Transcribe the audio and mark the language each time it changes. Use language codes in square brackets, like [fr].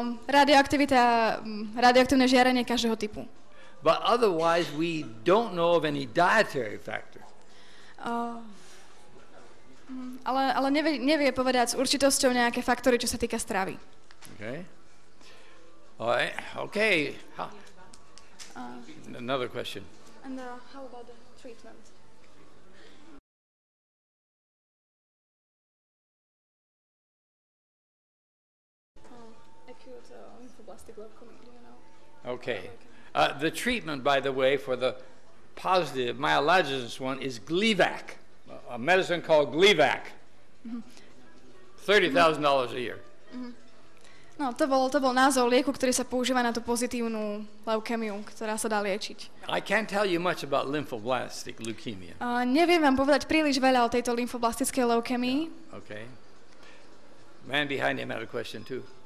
[sk] Radioaktivita, radioaktívne žiarenie každého typu. [en] But otherwise we don't know of any dietary factor. [sk] Ale nevie povedať s určitosťou nejaké faktory, čo sa týka stravy. [en] Okay. All right. Okay. Another question. And how about the treatment? Acute lymphoblastic leukemia, you know. Okay. The treatment, by the way, for the positive myelogenous one is Gleevec. A medicine called Gleevec. $30,000 a year. [sk] No, to bol názov lieku, ktorý sa používa na tú pozitívnu leukémiu, ktorá sa dá liečiť. [en] I can't tell you much about lymphoblastic leukemia. [sk] Neviem vám povedať príliš veľa o tejto lymphoblastickej leukémii. [en] Yeah. Okay. Man behind him had a question too.